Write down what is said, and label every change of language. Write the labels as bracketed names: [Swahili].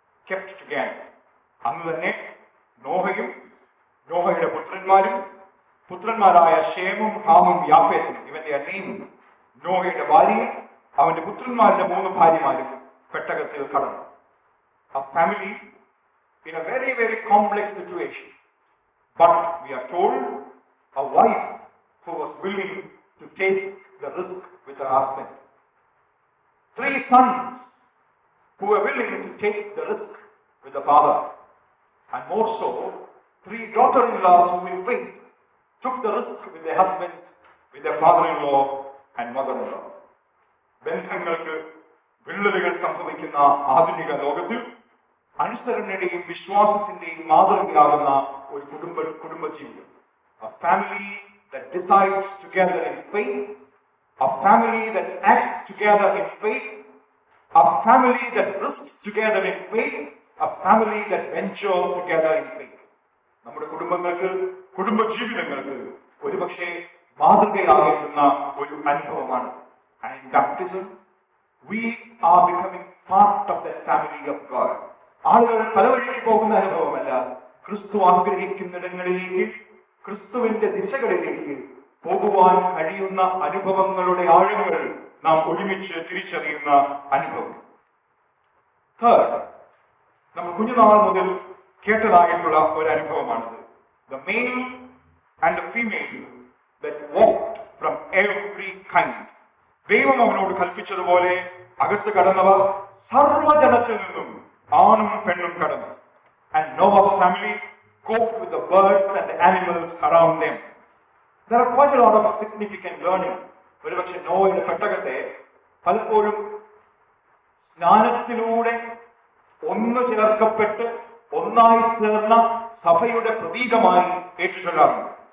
[English] kept together [Malayalam] അന്നു തന്നെ നോഹയും നോഹയുടെ പുത്രന്മാരും പുത്രന്മാരായ ഷേമും ഹാമും യാഫെത്തും ഇവന്റെ അനിയും നോഹയുടെ ഭാര്യയും അവന്റെ പുത്രന്മാരുടെ മൂന്ന് ഭാര്യമാരും പെട്ടകത്തിൽ കടന്നു ആ family [English] in a very, very complex situation. But we are told a wife who was willing to take the risk with her husband. Three sons who were willing to take the risk with the father. And more so, three daughter-in-laws who in faith took the risk with their husbands, with their father-in-law and mother-in-law. [Malayalam] ബന്ധങ്ങൾക്ക് വിള്ളലുകൾ സംഭവിക്കുന്ന ആധുനിക ലോകത്തിൽ അനുസരണയുടെയും വിശ്വാസത്തിന്റെയും മാതൃകയാകുന്ന ഒരു കുടുംബജീവിതം. [English] A family that decides together in faith, a family that acts together in faith, a family that risks together in faith, a family that ventures together in faith. [Malayalam] നമ്മുടെ കുടുംബങ്ങൾക്ക് കുടുംബജീവിതങ്ങൾക്ക് ഒരുപക്ഷെ മാതൃകയാകുന്ന ഒരു അനുഭവമാണ്. [English] And in baptism, we are becoming part of that family of God. [Malayalam] ആളുകൾ പല വഴിക്ക് പോകുന്ന അനുഭവമല്ല, ക്രിസ്തു ആഗ്രഹിക്കുന്നിടങ്ങളിലേക്ക് ക്രിസ്തുവിന്റെ ദിശകളിലേക്ക് പോകുവാൻ കഴിയുന്ന അനുഭവങ്ങളുടെ ആഴങ്ങൾ നാം ഒരുമിച്ച് തിരിച്ചറിയുന്ന അനുഭവം. Third, നമ്മൾ കുഞ്ഞുനാൾ മുതൽ കേട്ടതായിട്ടുള്ള ഒരു അനുഭവമാണിത്. [English] The male and the female that walked from every kind. [Malayalam] ദൈവം അവനോട് കൽപ്പിച്ചതുപോലെ അകത്ത് കടന്നവർ സർവജനത്തിൽ നിന്നും ആണും പെണ്ണും കടന്നു. [English] And Noah's family coped with the birds and the animals around them. There are quite a lot of significant learning. [Malayalam] ഒരുപക്ഷെ നോവയുടെ പെട്ടകത്തെ പലപ്പോഴും സ്നാനത്തിലൂടെ ഒന്ന് ചേർക്കപ്പെട്ട് ഒന്നായി തീർന്ന സഭയുടെ പ്രതീകമായി ഏറ്റെടുക്കാറുണ്ട്.